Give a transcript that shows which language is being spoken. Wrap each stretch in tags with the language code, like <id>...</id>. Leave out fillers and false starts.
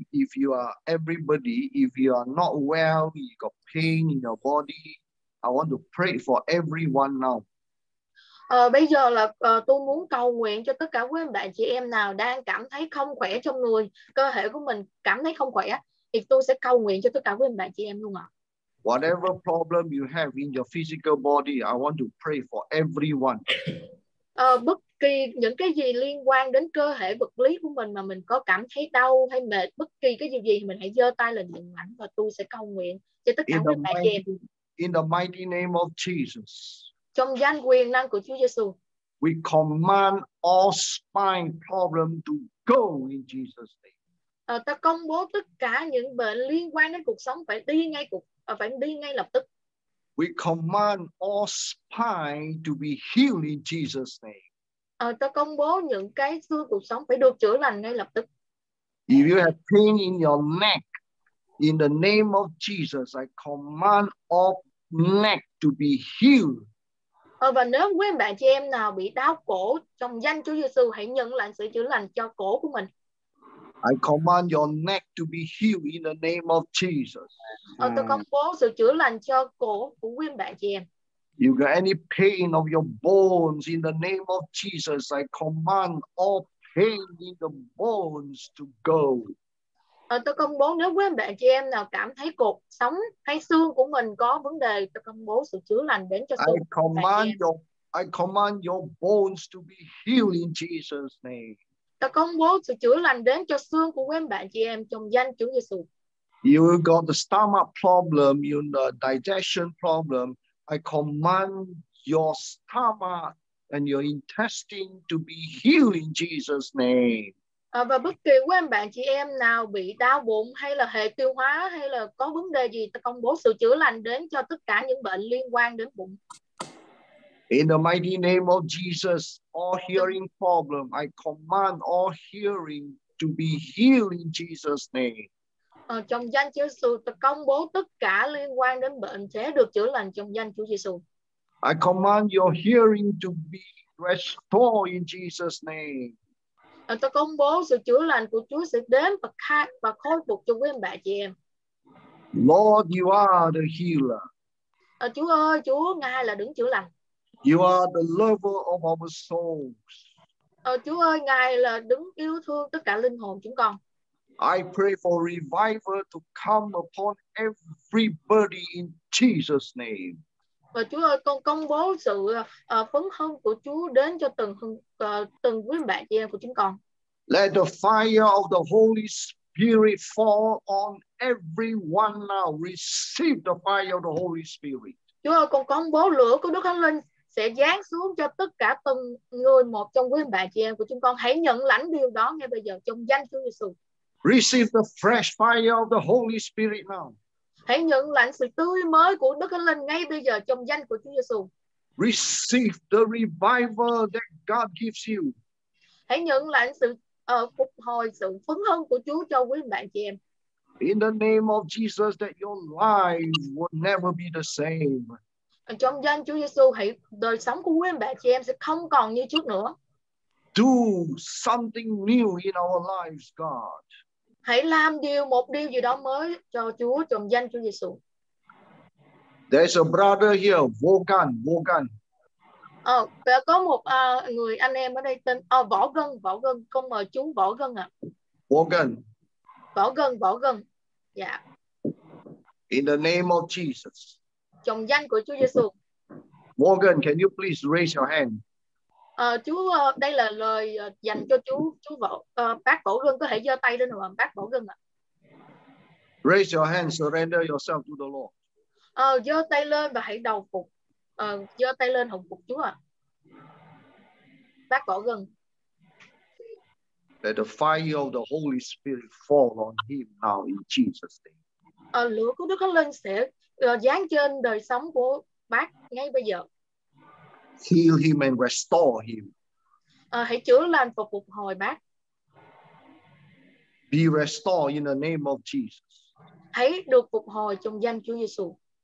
<en>If you are everybody, if you are not well, you got pain in your body, I want to pray for everyone now.</en> <vi>Bây giờ là tôi muốn cầu nguyện cho tất cả quý anh bạn chị em nào đang cảm thấy không khỏe trong người, cơ thể của mình cảm thấy không khỏe, thì tôi sẽ cầu nguyện cho tất cả quý anh bạn chị em luôn ạ.</vi> <en>Whatever problem you have in your physical body, I want to pray for everyone.</en> <vi>Bất kỳ những cái gì liên quan đến cơ thể vật lý của mình mà mình có cảm thấy đau hay mệt, bất kỳ cái gì gì mình hãy giơ tay lên nhận lãnh và tôi sẽ cầu nguyện cho tất cả các bạn chị em.</vi> <en>In the mighty name of Jesus.</en> <vi>Trong danh quyền năng của Chúa Giêsu.</vi> <en>We command all spine problem to go in Jesus' name.</en> <vi>Ta công bố tất cả những bệnh liên quan đến cuộc sống phải đi ngay lập tức.</vi> <en>We command all spine to be healed in Jesus' name.</en> <vi>Ta công bố những cái xương cuộc sống phải được chữa lành ngay lập tức.</vi> <en>If you have pain in your neck, in the name of Jesus, I command all neck to be healed.</en> <vi>Và nếu quý bạn chị em nào bị đau cổ, trong danh Chúa Giêsu hãy nhận lãnh sự chữa lành cho cổ của mình.</vi> <en>I command your neck to be healed in the name of Jesus.</en> <vi>Tôi công bố sự chữa lành cho cổ của quý bạn chị em.</vi> <en>You got any pain of your bones in the name of Jesus, I command all pain in the bones to go.</en> <vi>Tôi công bố nếu quý bạn chị em nào cảm thấy cột sống hay xương của mình có vấn đề, tôi công bố sự chữa lành đến cho xương.</vi> <en>I command your bones to be healed in Jesus' name.</en> <vi>Ta công bố sự chữa lành đến cho xương của quý bạn chị em trong danh Chúa Giêsu.</vi> <en>You got the stomach problem, you know, digestion problem. I command your stomach and your intestine to be healed in Jesus' name.</en> <vi>Và bất kỳ quý bạn chị em nào bị đau bụng hay là hệ tiêu hóa hay là có vấn đề gì, ta công bố sự chữa lành đến cho tất cả những bệnh liên quan đến bụng.</vi> <en>In the mighty name of Jesus, all hearing problem, I command all hearing to be healed in Jesus' name.</en> <vi>Trong danh Chúa Giêsu, tôi công bố tất cả liên quan đến bệnh sẽ được chữa lành trong danh Chúa Giêsu.</vi> <en>I command your hearing to be restored in Jesus' name.</en> <vi>Tôi công bố sự chữa lành của Chúa sẽ đến và khai và khôi phục cho quý bà chị em.</vi> <en>Lord, you are the healer.</en> <vi>Chúa ơi, Chúa Ngài là đấng chữa lành.</vi> <en>You are the lover of our souls.</en> <vi>Chúa ơi, Ngài là đấng yêu thương tất cả linh hồn chúng con.</vi> <en>I pray for revival to come upon everybody in Jesus' name.</en> <vi>Và Chúa ơi, con công bố sự phấn hân của Chúa đến cho từng quý bạn chị em của chúng con.</vi> <en>Let the fire of the Holy Spirit fall on everyone now. Receive the fire of the Holy Spirit.</en> <vi>Chúa ơi, con công bố lửa của Đức Thánh Linh sẽ giáng xuống cho tất cả từng người một trong quý bạn chị em của chúng con. Hãy nhận lãnh điều đó ngay bây giờ trong danh Chúa Giêsu.</vi> <en>Receive the fresh fire of the Holy Spirit now.</en> <vi>Hãy nhận lãnh sự tươi mới của Đức Thánh Linh ngay bây giờ trong danh của Chúa Giêsu.</vi> <en>Receive the revival that God gives you.</en> <vi>Hãy nhận lãnh sự phục hồi, sự phấn hưng của Chúa cho quý bạn chị em.</vi> <en>In the name of Jesus, that your life will never be the same.</en> <vi>Trong danh Chúa Giêsu, hãy đời sống của quý bạn chị em sẽ không còn như trước nữa.</vi> <en>Do something new in our lives, God.</en> <vi>Hãy làm điều một điều gì đó mới cho Chúa trong danh Chúa Giêsu.</vi> <en>There's a brother here, Vogan.</en> <vi>Có một người anh em ở đây tên Võ Gân, Võ Gân, con mời chú Võ Gân ạ. Võ Gân. Võ Gân, Võ Gân. Dạ. Yeah.</vi> <en>In the name of Jesus.</en> <vi>Trong danh của Chúa Giêsu.</vi> <en>Võ Gân, can you please raise your hand?</en> <vi>Chú đây là lời dành cho chú Võ, bác Võ Gân có thể giơ tay lên không ạ, bác Võ Gân ạ?</vi> <en>Raise your hand, surrender yourself to the Lord.</en> <vi>Giơ tay lên và hãy đầu phục. Giơ tay lên hồng phục Chúa ạ. Bác Võ Gân.</vi> <en>Let the fire of the Holy Spirit fall on him now in Jesus' name.</en> <vi>Lửa của Đức Thánh Linh sẽ giáng trên đời sống của bác ngay bây giờ.</vi> <en>Heal him and restore him.</en> <vi>Hãy chữa lành và phục hồi bác.</vi> <en>Be restored in the name of Jesus.</en> <vi>Hãy được phục hồi trong danh Chúa Giêsu.</vi>